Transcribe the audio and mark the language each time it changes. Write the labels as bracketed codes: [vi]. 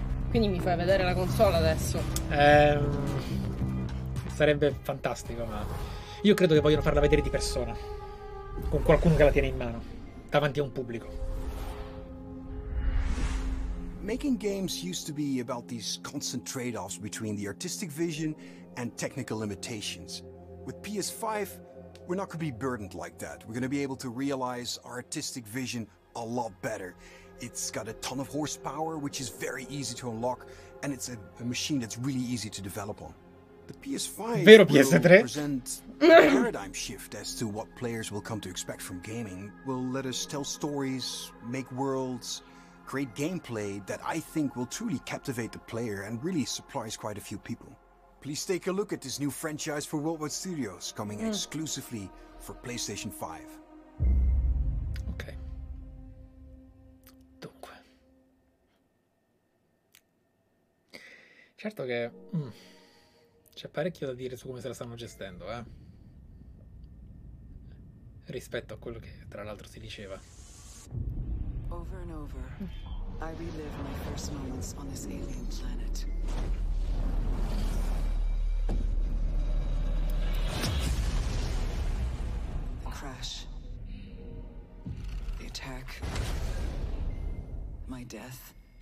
[it] Quindi mi fai vedere la console adesso. Sarebbe fantastico, ma io credo che vogliono farla vedere di persona, con qualcuno che la tiene in mano, davanti a un pubblico. [en] Making games used to be about these constant trade-offs between the artistic vision and technical limitations. With PS5, we're not going to be burdened like that. We're going to be able to realize our artistic vision a lot better. It's got a ton of horsepower, which is very easy to unlock, and it's a machine that's really easy to develop on. The PS5 [it] vero [en] will PS3? Present a paradigm shift as to what players will come to expect from gaming. Will let us tell stories, make worlds, create gameplay that I think will truly captivate the player and really surprise quite a few people. Please take a look at this new franchise for Worldwide Studios coming exclusively for PlayStation 5. Ok. [it] Dunque. Certo che... c'è parecchio da dire su come se la stanno gestendo, eh? Rispetto a quello che tra l'altro si diceva. [en] Over and over, I relive my first moments on this alien planet. The crash. The attack. My death.